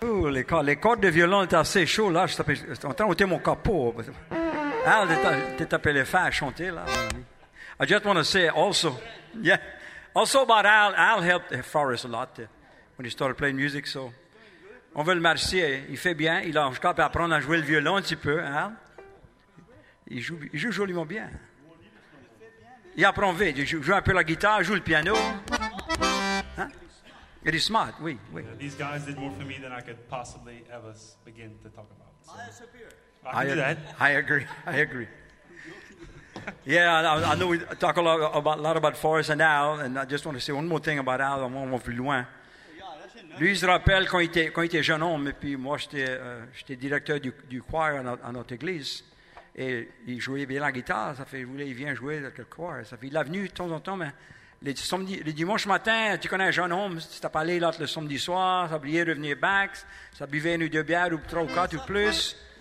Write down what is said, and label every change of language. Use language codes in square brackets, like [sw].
[fr] Les cordes de violon étaient assez chaudes là, j'étais en train de ôter mon capot. Ah, t'es tapé les fins à chanter là. [en] I just want to say also, yeah, also about Al. Al helped Forrest a lot when he started playing music. So, [fr] on veut le remercier. Il fait bien. Il a encore pu apprendre à jouer le violon un petit peu. Al, il joue joliment bien. Il apprend vite. Il joue un peu la guitare, joue le piano. [en] It is smart, [fr] oui, oui. [en] Yeah, these guys did more for me than I could possibly ever begin to talk about. So. I can do that. I agree. Yeah, I know we talk a lot about Forrest and Al, and I just want to say one more thing about Al, I'm [fr] on plus loin. [en] Yeah, that's in [fr] Lui, il se rappelle quand il était jeune homme, et puis moi, j'étais directeur du choir à notre église, et il jouait bien la guitare, ça fait, il vient jouer dans quel choir, ça fait, il l'a venu de temps en temps, mais les dimanches matins, tu connais un jeune homme, si t'as pas allé l'autre le samedi soir, ça oubliait de revenir back, ça buvait une ou deux bières, ou trois ou quatre ou plus.